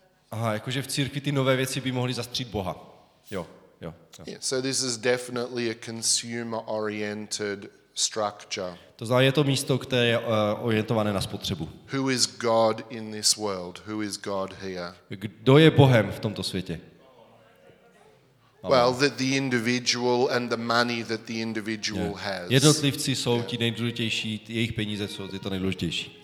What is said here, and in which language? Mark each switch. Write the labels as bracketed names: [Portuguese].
[Czech] Aha, jakože v církvi ty nové věci by mohly zastřít Boha. Jo. [English] Yeah, so this is definitely a consumer-oriented structure. [Czech] To znamená, je to místo, které je orientované na spotřebu. [English] Who is God in this world? Who is God here? [Czech] Kdo je Bohem v tomto světě? [English] Well, that the individual and the money that the individual has. [Czech] Jednotlivci jsou ti nejdůležitější, jejich peníze jsou ty to nejdůležitější.